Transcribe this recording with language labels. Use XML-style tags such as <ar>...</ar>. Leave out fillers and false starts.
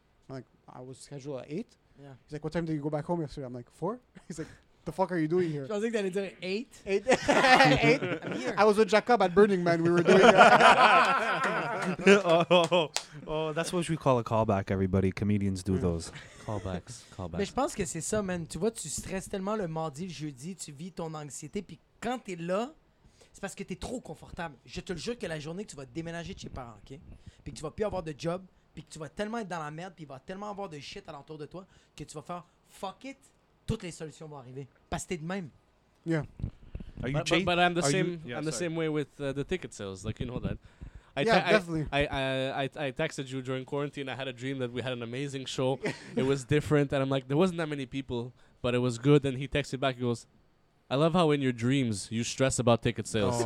<en>I'm like, I was scheduled at 8. Yeah. He's like, what time did you go back home yesterday? I'm like, 4. He's like... The fuck are you doing here? I was thinking that it's 8. 8? I'm here. I was with Jacob at Burning Man. We were doing it. oh, that's what we call a callback, everybody. Comedians do those. Callbacks.</en> <fr>Mais je pense que c'est ça, man. Tu vois, tu stresses tellement le mardi, le jeudi, tu vis ton anxiété. Puis quand t'es là, c'est parce que t'es trop confortable. Je te le jure que la journée que tu vas déménager de chez parents, OK? Puis que tu vas plus avoir de job, puis que tu vas tellement être dans la merde, puis il va tellement avoir de shit alentour de toi, que tu vas faire « fuck it ». Toutes les solutions vont arriver. Parce que t'es de même.</fr> <en>Yeah. Are you but I'm the same. Yeah, I'm the same way with the ticket sales. Like, you know that. Definitely. I texted you during quarantine. I had a dream that we had an amazing show. It was different, and I'm like, there wasn't that many people, but it was good. And he texted back. He goes, I love how in your dreams you stress about ticket sales.</en>